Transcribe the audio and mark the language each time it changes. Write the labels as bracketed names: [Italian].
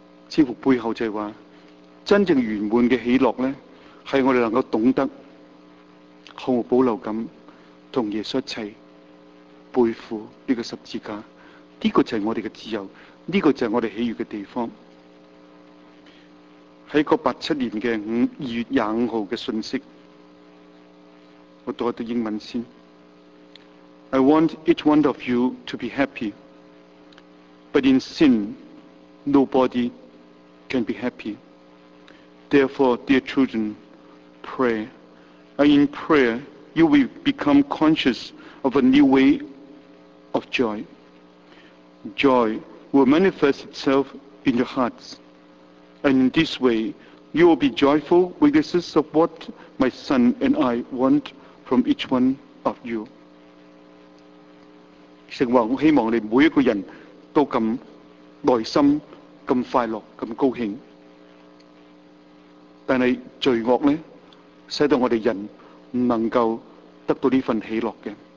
[Chinese] 似乎背后就是说，真正圆满的喜乐呢，是我们能够懂得毫无保留地跟耶稣一起背负这个十字架。这个就是我们的自由，这个就是我们喜悦的地方。在1987年的2月25日的信息，我读一读英文先。 [English] I want each one of you to be happy, but in sin, nobody can be happy. Therefore, dear children, pray. And in prayer, you will become conscious of a new way of joy. Joy will manifest itself in your hearts. And in this way, you will be joyful witnesses of what my son and I want from each one of you. [Chinese] 神话，我希望你每一个人都咁内心咁快乐，咁高兴。但是罪恶呢，使到我们人不能够得到这份喜乐的。